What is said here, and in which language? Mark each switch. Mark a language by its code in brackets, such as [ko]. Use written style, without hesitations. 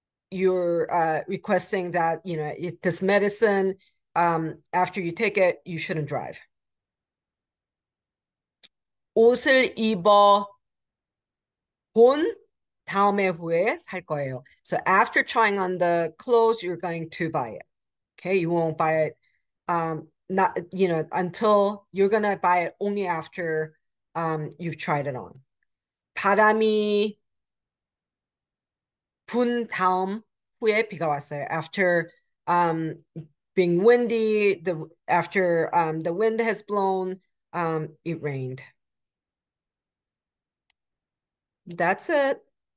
[en] You're requesting that, this medicine, after you take it, you shouldn't drive. [ko] 옷을 입어 본 다음에 후에 살 거예요. [en] So after trying on the clothes, you're going to buy it. Okay, you won't buy it not until you're gonna buy it only after you've tried it on. [ko] 바람이 분 다음 후에 비가 왔어요. [en] After being windy, the wind has blown, it rained. That's it.